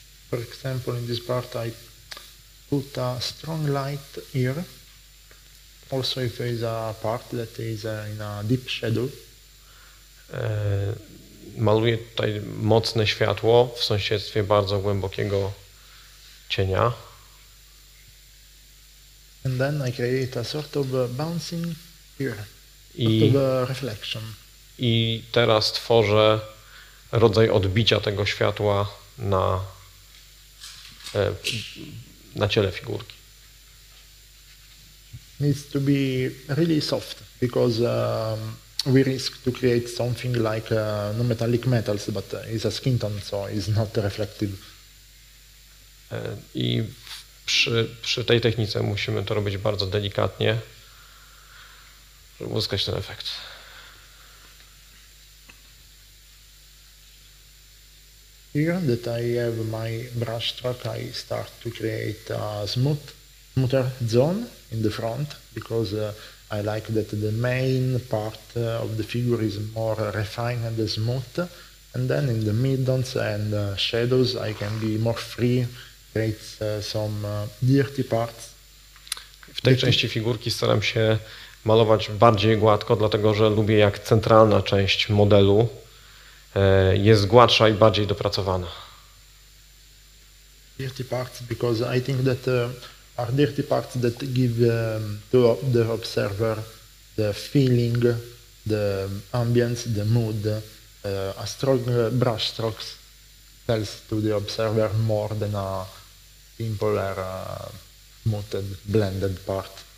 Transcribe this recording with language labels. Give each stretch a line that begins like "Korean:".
English: For example, in this part I put a strong light here. Also if there is a part that is in a deep shadow.
Polish: Maluję tutaj mocne światło w sąsiedztwie bardzo głębokiego cienia.
English: And then I create a sort of bouncing here, sort of reflection.
Polish: I teraz tworzę rodzaj odbicia tego światła na na ciele figurki.
English: Needs to be really soft because we risk to create something like non-metallic metals, but it's a skin tone, so it's not reflective.
Polish: I przy tej technice musimy to robić bardzo delikatnie, żeby uzyskać ten efekt.
English: Here that I have my brush track, I start to create a smoother zone in the front because I like that the main part of the figure is more refined and smooth, and then in the middles and shadows I can be more free, create some dirty parts.
Polish: W tej części figurki staram się malować bardziej gładko, dlatego że lubię, jak centralna część modelu jest gładsza i bardziej dopracowana.
English: Dirty parts, because I think that are dirty parts that give to the observer the feeling, the ambience, the mood. A strong brush strokes tells to the observer more than a simple or smoothed, blended part.